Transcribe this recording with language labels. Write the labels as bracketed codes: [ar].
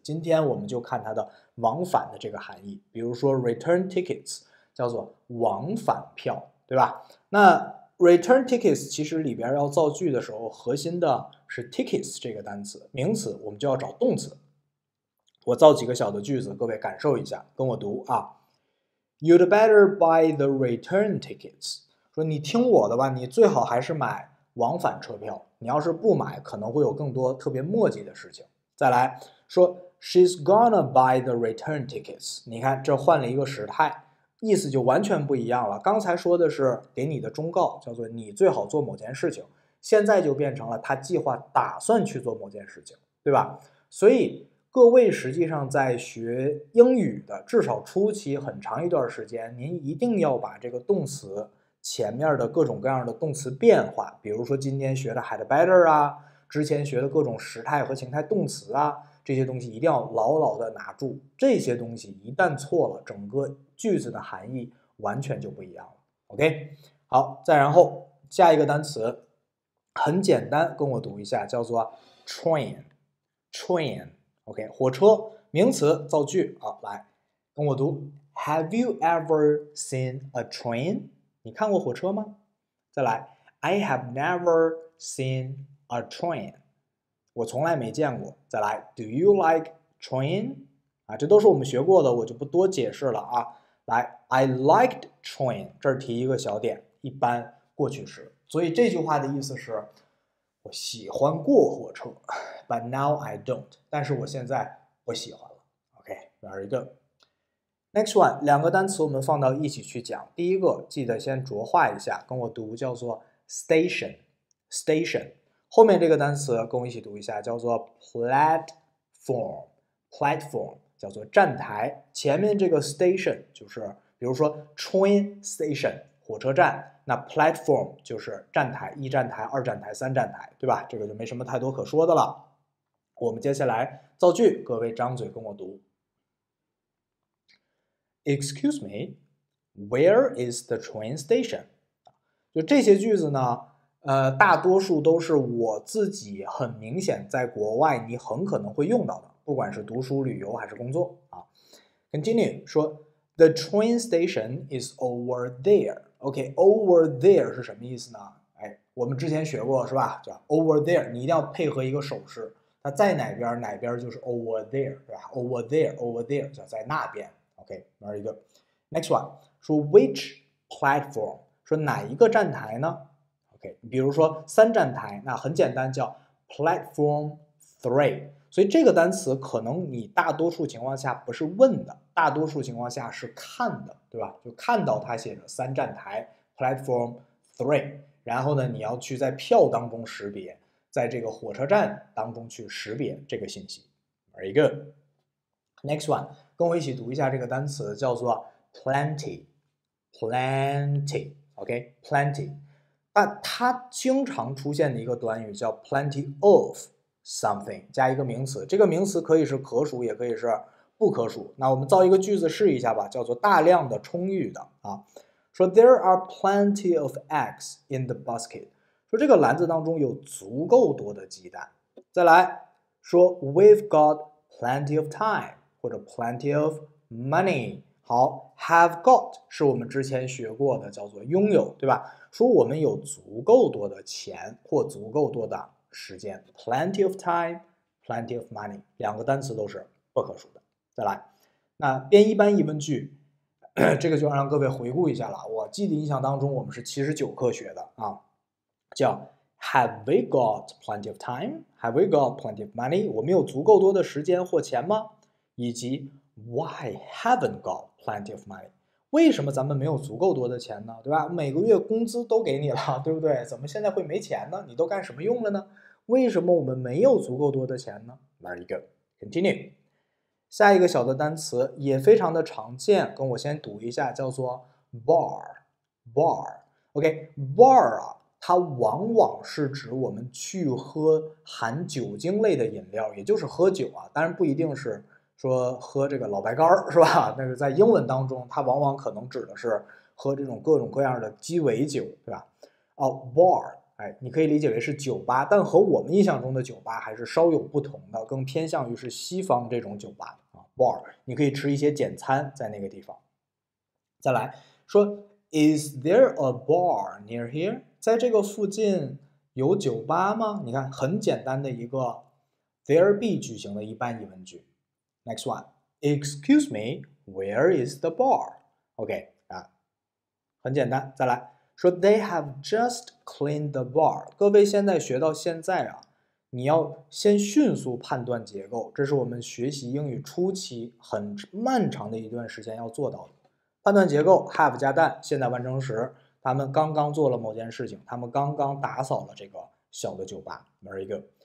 [zh] 今天我们就看它的往返的这个含义，比如说 return tickets 叫做往返票，对吧？那 return tickets 其实里边要造句的时候，核心的是 tickets 这个单词，名词，我们就要找动词。我造几个小的句子，各位感受一下，跟我读啊。 [en] You'd better buy the return tickets。 [zh] 说你听我的吧，你最好还是买往返车票。你要是不买，可能会有更多特别磨叽的事情。再来说， [en] She's gonna buy the return tickets。 [zh] 你看，这换了一个时态，意思就完全不一样了。刚才说的是给你的忠告，叫做你最好做某件事情，现在就变成了她计划打算去做某件事情，对吧？所以各位实际上在学英语的，至少初期很长一段时间，您一定要把这个动词。前面的各种各样的动词变化，比如说今天学的 had better 啊，之前学的各种时态和情态动词啊，这些东西一定要牢牢的拿住。这些东西一旦错了，整个句子的含义完全就不一样了。OK，好，再然后下一个单词，很简单，跟我读一下，叫做 train，train，OK，火车，名词，造句，好，来，跟我读， [en] Have you ever seen a train？ [zh] 你看过火车吗？ [en] 再来，I have never seen a train， [zh] 我从来没见过。 [en] 再来，Do you like train？ [zh] 啊，这都是我们学过的，我就不多解释了啊。来， [en] I liked train， [zh] 这儿提一个小点。一般过去时，所以这句话的意思是，我喜欢过火车， [en] but now I don't。 [zh] 但是我现在不喜欢了。 OK，very good。Next one，两个单词我们放到一起去讲。第一个记得先浊化一下，跟我读叫做 station。后面这个单词跟我一起读一下，叫做 platform，叫做站台。前面这个 station 就是，比如说 train station。火车站，那 platform 就是站台，一站台、二站台、三站台，对吧？这个就没什么太多可说的了。我们接下来造句，各位张嘴跟我读。 [en] Excuse me, where is the train station？ [zh] 就这些句子呢，大多数都是我自己很明显在国外你很可能会用到的，不管是读书、旅游还是工作啊。 [en] Continue 说，The train station is over there。 [zh] OK，over there 是什么意思呢？哎，我们之前学过是吧？叫 over there，你一定要配合一个手势，它在哪边，哪边就是 over there，对吧？over there，over there 叫在那边。 OK，玩一个，next one 说 which platform 说哪一个站台呢？OK，比如说三站台，那很简单，叫 platform three。所以这个单词可能你大多数情况下不是问的，大多数情况下是看的，对吧？就看到它写着三站台 （platform three），然后呢，你要去在票当中识别，在这个火车站当中去识别这个信息。 [en] Very good. [zh] Next one，跟我一起读一下这个单词，叫做 plenty，OK，plenty。那它经常出现的一个短语叫 plenty of。 something 加一个名词，这个名词可以是可数，也可以是不可数。那我们造一个句子试一下吧，叫做大量的、充裕的啊。 [en] 说 There are plenty of eggs in the basket。 [zh] 说这个篮子当中有足够多的鸡蛋。再来说 [en] We've got plenty of time 或者 plenty of money。 [zh] 好，have got 是我们之前学过的，叫做拥有，对吧？说我们有足够多的钱或足够多的。时间，plenty of time，plenty of money，两个单词都是不可数的。再来，那编一般疑问句，这个就让各位回顾一下了。我记得印象当中，我们是79课学的啊，叫 [en] Have we got plenty of time？Have we got plenty of money？ [zh] 我们有足够多的时间或钱吗？以及 [en] Why haven't got plenty of money？ [zh] 为什么咱们没有足够多的钱呢？对吧？每个月工资都给你了，对不对？怎么现在会没钱呢？你都干什么用了呢？为什么我们没有足够多的钱呢？ [en] Very good. Continue. [zh] 下一个小的单词也非常的常见，跟我先读一下，叫做 bar。 OK，bar 啊，它往往是指我们去喝含酒精类的饮料，也就是喝酒啊。当然不一定是说喝这个老白干儿是吧？但是在英文当中，它往往可能指的是喝这种各种各样的鸡尾酒，对吧？ bar。哎，你可以理解为是酒吧，但和我们印象中的酒吧还是稍有不同的，更偏向于是西方这种酒吧啊，bar。你可以吃一些简餐在那个地方。 [en] 再来说，Is there a bar near here？ [zh] 在这个附近有酒吧吗？你看，很简单的一个 there be 句型的一般疑问句。 [en] Next one，Excuse me，where is the bar？OK 啊， [zh] 很简单，再来。 [en] 说 they have just cleaned the bar。 [zh] 各位现在学到现在啊，你要先迅速判断结构，这是我们学习英语初期很漫长的一段时间要做到的。判断结构，have 加 done，现在完成时，他们刚刚做了某件事情，他们刚刚打扫了这个小的酒吧， [en] very good。